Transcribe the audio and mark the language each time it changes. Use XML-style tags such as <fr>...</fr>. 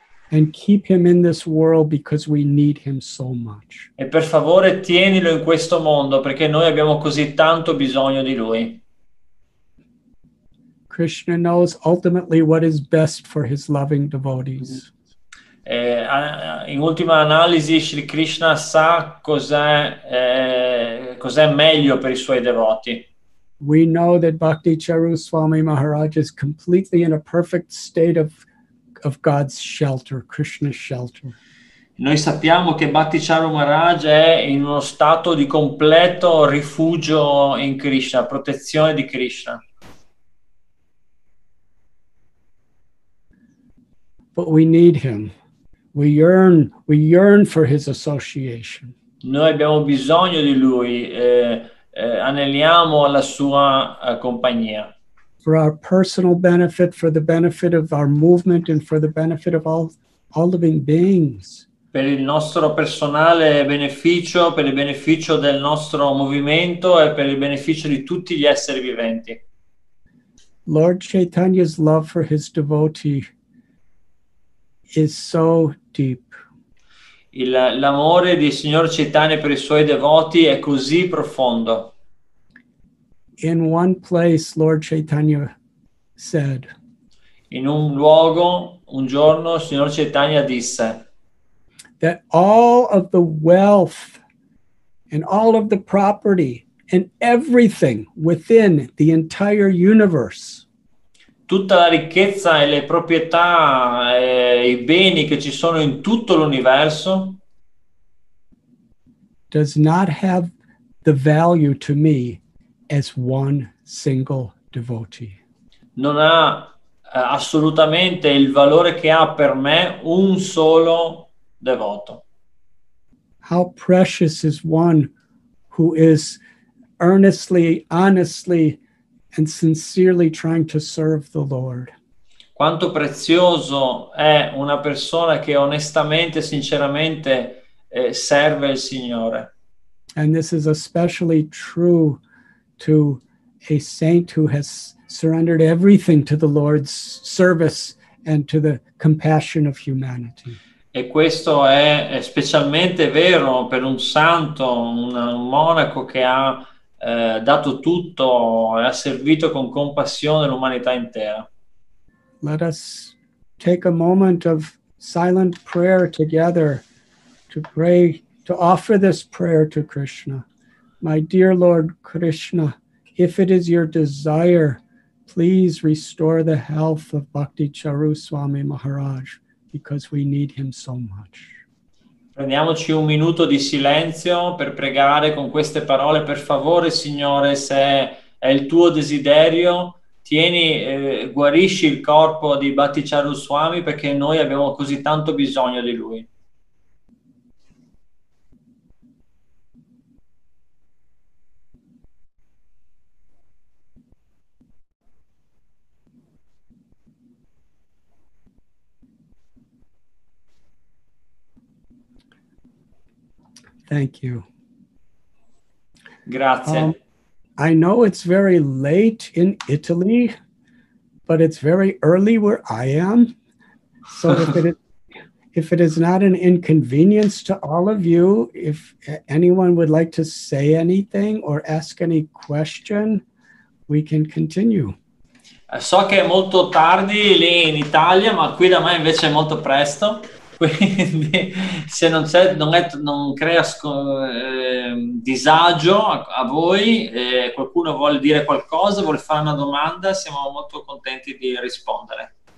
<en>And keep him in this world because we need him so much.</en> <it>E per favore tienilo in questo mondo perché noi abbiamo così tanto bisogno di lui.</it> <en>Krishna knows ultimately what is best for his loving devotees.</en> <it>In ultima analisi Sri Krishna sa cos'è meglio per i suoi devoti.</it> <en>We know that Bhakti Charu Swami Maharaj is completely in a perfect state of God's shelter, Krishna's shelter.</en> <it>Noi sappiamo che Bhakti Charu Maharaj è in uno stato di completo rifugio in Krishna, protezione di Krishna.</it> <en>But we need him. We yearn for his association.</en> <it>Noi abbiamo bisogno di lui. Anneliamo alla sua compagnia.</it> <en>For our personal benefit, for the benefit of our movement, and for the benefit of all living beings.</en> <it>Per il nostro personale beneficio, per il beneficio del nostro movimento e per il beneficio di tutti gli esseri viventi.</it> <en>Lord Chaitanya's love for his devotee is so deep.</en> <it>L'amore di Signor Chaitanya per i suoi devoti è così profondo.</it> <en>In one place, Lord Chaitanya said.</en> <it>In un luogo, un giorno, Signor Chaitanya disse.</it> <en>That all of the wealth and all of the property and everything within the entire universe.</en> <it>Tutta la ricchezza e le proprietà e i beni che ci sono in tutto l'universo</it> <en>does not have the value to me as one single devotee.</en> <it>Non ha assolutamente il valore che ha per me un solo devoto.</it> <en>How precious is one who is earnestly, honestly, and sincerely trying to serve the Lord.</en> <it>Quanto prezioso è una persona che onestamente, sinceramente serve il Signore.</it> <en>And this is especially true to a saint who has surrendered everything to the Lord's service and to the compassion of humanity.</en> <it>E questo è specialmente vero per un santo, un monaco che ha dato tutto e ha servito con compassione l'umanità intera.</it> <en>Let us take a moment of silent prayer together to pray, to offer this prayer to Krishna. My dear Lord Krishna, if it is your desire, please restore the health of Bhakti Charu Swami Maharaj because we need him so much.</en> <it>Prendiamoci un minuto di silenzio per pregare con queste parole. Per favore, Signore, se è il tuo desiderio, guarisci il corpo di Bhakti Charu Swami perché noi abbiamo così tanto bisogno di lui.</it> <en>Thank you.</en> <it>Grazie.</it> <en>I know it's very late in Italy, but it's very early where I am. So if it is not an inconvenience to all of you, if anyone would like to say anything or ask any question, we can continue.</en> <it>So che è molto tardi lì in Italia, ma qui da me invece è molto presto. Quindi se non crea disagio a voi, qualcuno vuole dire qualcosa, vuole fare una domanda, siamo molto contenti di rispondere.</it>